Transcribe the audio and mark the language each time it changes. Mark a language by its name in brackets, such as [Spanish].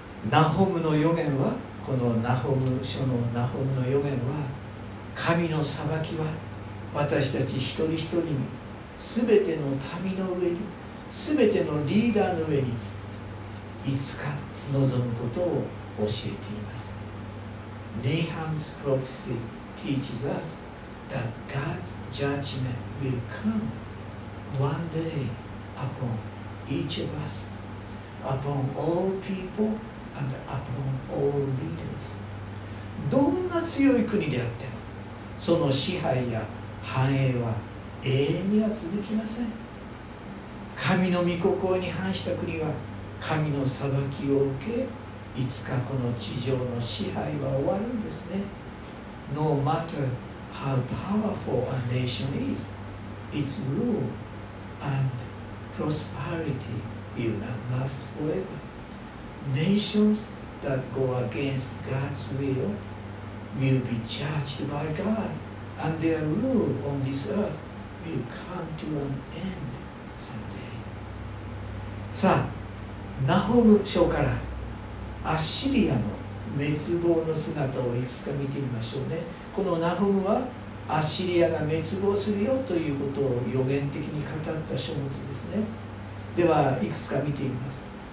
[Japanese] ナホムの予言は、このナホム書のナホムの予言は、神の裁きは私たち一人一人に、すべての民の上に、すべてのリーダーの上に、いつか望むことを教えています。 [English] Nahum's prophecy teaches us that God's judgment will come one day upon each of us, upon all people, and upon all leaders. [Japanese] どんな強い国であっても、その支配や繁栄は永遠には続きません。神の御心に反した国は神の裁きを受け、いつかこの地上の支配は終わるんですね。 [English] No matter how powerful a nation is, its rule and prosperity will not last forever. Nations that go against God's will will be judged by God, and their rule on this earth will come to an end someday. [Japanese] さあ、ナホム書からアッシリアの滅亡の姿をいくつか見てみましょうね。このナホムはアッシリアが滅亡するよということを予言的に語った書物ですね。ではいくつか見てみます。